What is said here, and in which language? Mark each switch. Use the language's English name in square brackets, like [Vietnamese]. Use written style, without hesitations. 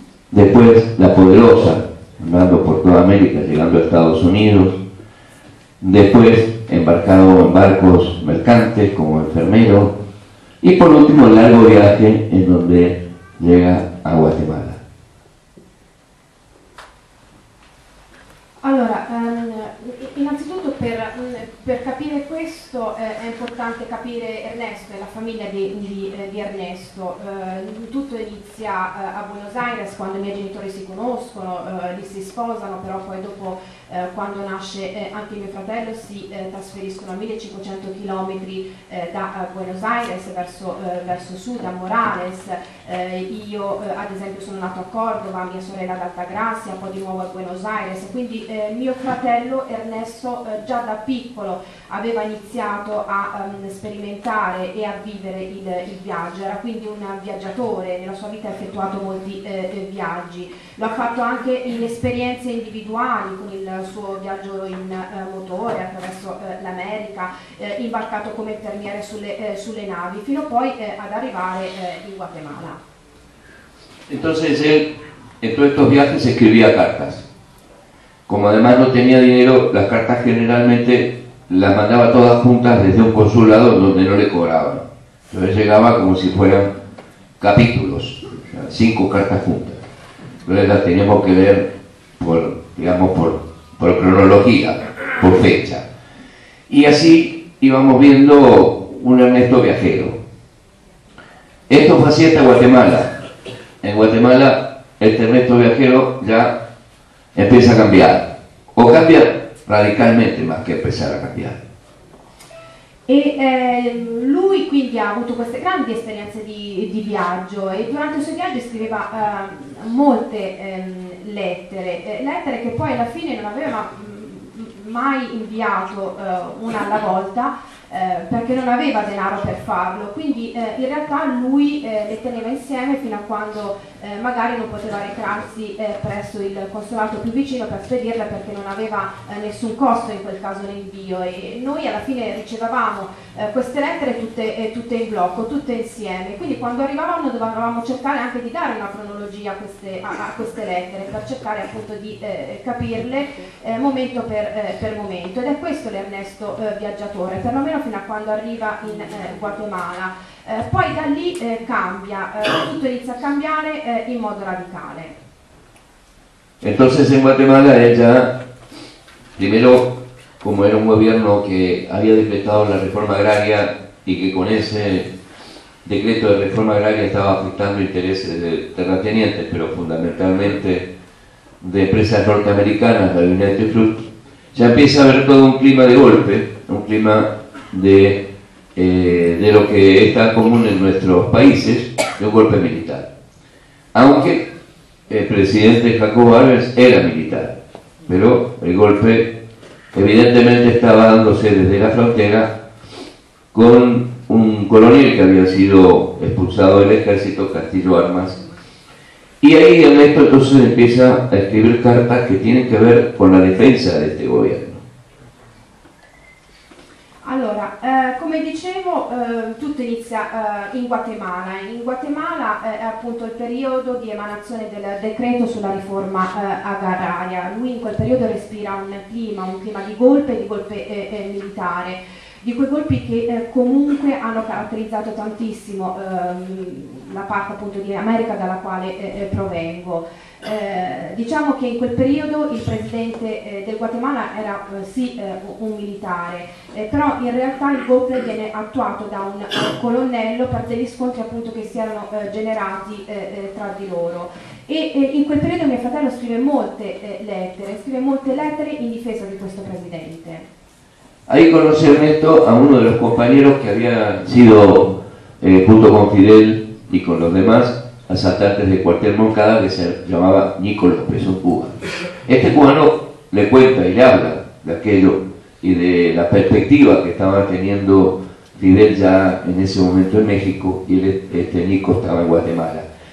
[Spanish] después La Poderosa, andando por toda América, llegando a Estados Unidos, después embarcado en barcos mercantes como enfermero, y por último el largo viaje en donde llega a Guatemala. [Italian] Allora, innanzitutto per capire questo è importante capire Ernesto e la famiglia di Ernesto. Tutto inizia a Buenos Aires quando i miei genitori si conoscono, lì si sposano, però poi dopo quando nasce anche mio fratello si trasferiscono a 1500 km da Buenos Aires verso sud, a Morales. Io ad esempio sono nato a Cordova, mia sorella ad Altagracia, poi di nuovo a Buenos Aires. Quindi mio fratello Ernesto già da piccolo aveva iniziato a sperimentare e a vivere il viaggio, era quindi un viaggiatore, nella sua vita ha effettuato molti viaggi, lo ha fatto anche in esperienze individuali con il suo viaggio in motore attraverso l'America, imbarcato come infermiere sulle navi, fino poi ad arrivare in Guatemala. [Spanish] Entonces él en todos estos viajes escribía cartas. Como además no tenía dinero, las cartas generalmente las mandaba todas juntas desde un consulado donde no le cobraban. Entonces llegaba como si fueran capítulos, o sea, cinco cartas juntas. Entonces las teníamos que leer por, digamos, por cronología, por fecha. Y así íbamos viendo un Ernesto viajero. Esto fue así hasta Guatemala. En Guatemala, este Ernesto viajero ya empieza a cambiar, o cambia radicalmente más que empezar a cambiar. [Italian] E lui quindi ha avuto queste grandi esperienze di viaggio e durante il suo viaggio scriveva molte lettere che poi alla fine non aveva mai inviato una alla volta perché non aveva denaro per farlo, quindi in realtà lui le teneva insieme fino a quando magari non poteva recarsi presso il consolato più vicino per spedirla perché non aveva nessun costo in quel caso l'invio, e noi alla fine ricevevamo queste lettere tutte in blocco, tutte insieme, quindi quando arrivavano dovevamo cercare anche di dare una cronologia a queste lettere per cercare appunto di capirle momento per momento, ed è questo l'Ernesto viaggiatore, perlomeno fino a quando arriva in Guatemala. Poi da lì cambia, tutto inizia a cambiare in modo radicale. [Spanish] Entonces en Guatemala ella, primero, como era un gobierno que había decretado la reforma agraria y que con ese decreto de reforma agraria estaba afectando intereses de terratenientes, pero fundamentalmente de empresas norteamericanas, la United Fruit, ya empieza a haber todo un clima de golpe, un clima de lo que está común en nuestros países, de un golpe militar. Aunque el presidente Jacobo Arbenz era militar, pero el golpe evidentemente estaba dándose desde la frontera con un coronel que había sido expulsado del ejército, Castillo Armas. Y ahí Ernesto entonces empieza a escribir cartas que tienen que ver con la defensa de este gobierno. [Italian] Allora, come dicevo, tutto inizia in Guatemala. In Guatemala è appunto il periodo di emanazione del decreto sulla riforma agraria. Lui in quel periodo respira un clima di golpe e di golpe militare, di quei colpi che comunque hanno caratterizzato tantissimo la parte appunto di America dalla quale provengo. Diciamo che in quel periodo il presidente del Guatemala era sì un militare, però in realtà il golpe viene attuato da un colonnello per degli scontri appunto che si erano generati tra di loro. E in quel periodo mio fratello Moreno scrive molte lettere, in difesa di questo presidente. [Spanish] Ahí conocí a Ernesto, a uno de los compañeros que había sido, junto con Fidel y con los demás, asaltantes del cuartel Moncada, que se llamaba Nicolás Preso Cuba. Este cubano le cuenta y le habla de aquello y de la perspectiva que estaba teniendo Fidel ya en ese momento en México, y este Nico estaba en Guatemala.